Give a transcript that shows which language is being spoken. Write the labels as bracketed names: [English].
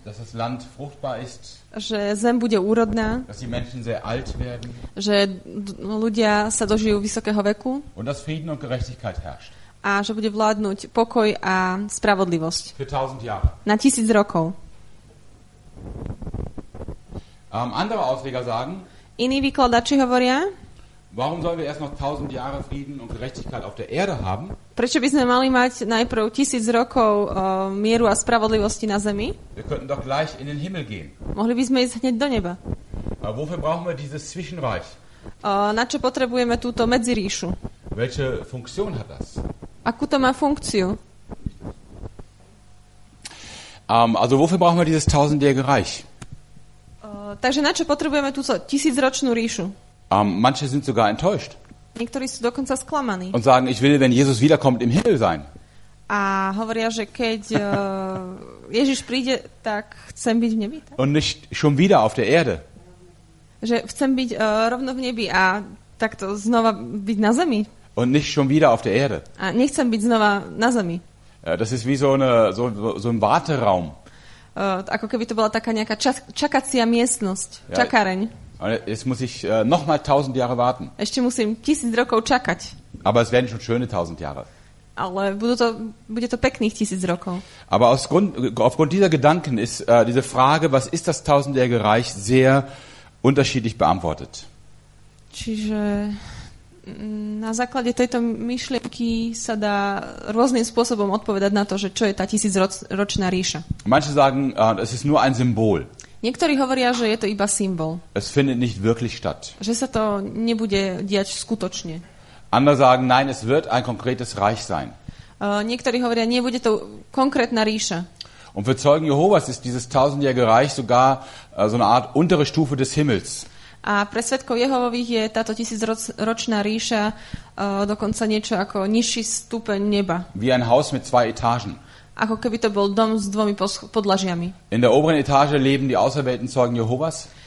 [German] Dass das Land fruchtbar ist. [Slovak] Že zem bude úrodná. [German] Dass die Menschen sehr alt werden. [Slovak] Že ľudia sa dožijú vysokého veku. [German] Und dass Frieden und Gerechtigkeit herrscht. [Slovak] A že bude vládnuť pokoj a spravodlivosť. [German] Für 1000 Jahre. [Slovak] Na 1000 rokov. [German] Andere Ausleger sagen. [Slovak] Iní vykladači hovoria. [German] Warum sollen wir erst noch 1000 Jahre Frieden und Gerechtigkeit auf der Erde haben? [Slovak] Prečo by sme mali mať najprv 1000 rokov mieru a spravodlivosti na zemi? [German] Wir könnten doch gleich in den Himmel gehen. [Slovak] Mohli by sme ísť hneď do neba. [German] Wofür brauchen wir dieses Zwischenreich? [Slovak] Na čo potrebujeme túto medziríšu? [German] Welche Funktion hat das? [Slovak] Akú to má funkciu? [German] Also wofür brauchen wir dieses tausendjährige Reich? [Slovak] Takže na čo potrebujeme túto tisícročnú ríšu? [German] Manche sind sogar enttäuscht. [Slovak] Niektorí sú dokonca sklamaní. [German] Und sagen, ich will, wenn Jesus wiederkommt, im Himmel sein. [Slovak] A hovoria, že keď Ježiš príde, tak chcem byť v nebi. Tak? [German] Und nicht schon wieder auf der Erde. [Slovak] Že chcem byť rovno v nebi a takto znova byť na zemi. [German] Und nicht schon wieder auf der Erde. [Slovak] A nechcem byť znova na zemi. [German] Das ist wie so ein Warteraum. [Slovak] Ako keby to bola taká nejaká čakacia miestnosť, čakareň. [German] Jetzt muss ich noch mal 1000 Jahre warten. [Slovak] Ešte musím 1000 rokov čakať. [German] Aber es werden schon schöne 1000 Jahre. [Slovak] Ale bude to pekných 1000 rokov. [German] Aber aufgrund dieser Gedanken ist diese Frage, was ist das tausendjährige Reich, sehr unterschiedlich beantwortet. [Slovak] Čiže na základe tejto myšlienky sa dá rôznym spôsobom odpovedať na to, že čo je tá tisícročná ríša. [German] Manche sagen, es ist nur ein Symbol. [Slovak] Niektorí hovoria, že je to iba symbol. [German] Es findet nicht wirklich statt. [Slovak] Že sa to nebude diať skutočne. [German] Andere sagen, nein, es wird ein konkrétes Reich sein. [Slovak] Niektorí hovoria, nie, bude to konkrétna ríša. [German] Und für Zeugen Jehovas ist dieses tausendjährige Reich sogar so eine Art untere Stufe des Himmels. [Slovak] A pre svedkov Jehovových je táto tisícročná ríša dokonca niečo ako nižší stupeň neba. [German] Wie ein Haus mit zwei Etagen. [Slovak] Ako keby to bol dom s dvomi podlažiami. [German] In der oberen Etage leben die auserwählten Zeugen Jehovas.